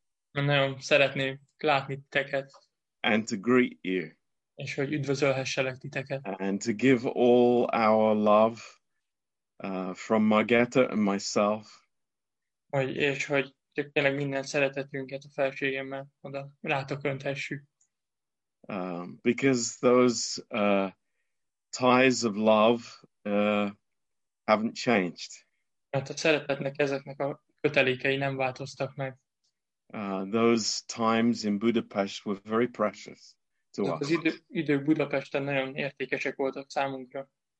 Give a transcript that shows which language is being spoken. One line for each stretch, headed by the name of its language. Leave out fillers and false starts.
Hungarian: Nagyon szeretném látni titeket.
English: And to greet you.
Hungarian: És hogy üdvözölhesselek titeket.
English: And to give all our love from Margetta and myself.
Hungarian: És hogy tényleg minden szeretetünket a felségemmel oda rátok önthessük.
English: Because those ties of love haven't changed.
Hungarian: Mert a szeretetnek ezeknek a kötelékei nem változtak meg.
English: Those times in Budapest were very precious to us.
Hungarian: Az idő Budapesten nagyon értékesek voltak számunkra.